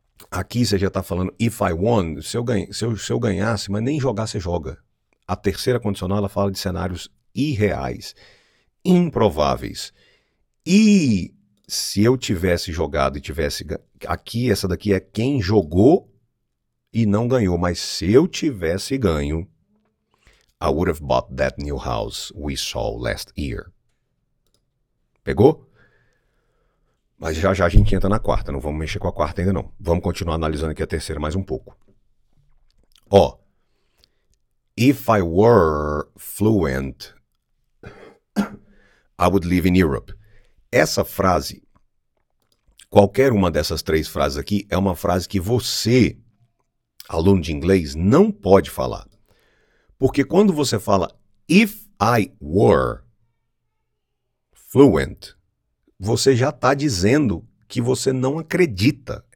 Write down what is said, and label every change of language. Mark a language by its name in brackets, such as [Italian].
[Portuguese] Aqui você já está falando [English] if I won, [Portuguese] se eu ganhasse, mas nem jogar você joga. A terceira condicional, ela fala de cenários irreais, improváveis. E se eu tivesse jogado e tivesse. Aqui, essa daqui é quem jogou e não ganhou. Mas se eu tivesse ganho, [English] I would have bought that new house we saw last year. [Portuguese] Pegou? Mas já já a gente entra na quarta. Não vamos mexer com a quarta ainda não. Vamos continuar analisando aqui a terceira mais um pouco. Ó. [English] If I were fluent, I would live in Europe. [Portuguese] Essa frase, qualquer uma dessas três frases aqui, é uma frase que você, aluno de inglês, não pode falar. Porque quando você fala [English] if I were fluent, [Portuguese] você já está dizendo que você não acredita.